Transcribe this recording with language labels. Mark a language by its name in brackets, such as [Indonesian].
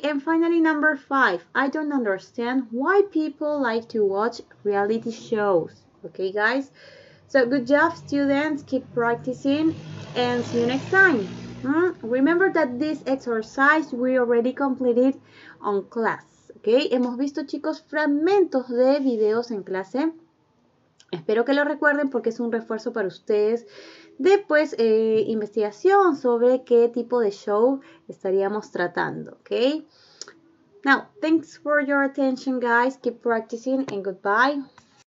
[English] And finally, number five, I don't understand why people like to watch reality shows. Okay, guys? So, good job, students. Keep practicing and see you next time. Remember that this exercise we already completed on class. [Spanish] Okay, hemos visto, chicos, fragmentos de videos en clase. Espero que lo recuerden porque es un refuerzo para ustedes de, pues, investigación sobre qué tipo de show estaríamos tratando. [English] Okay. Now, thanks for your attention, guys. Keep practicing and goodbye.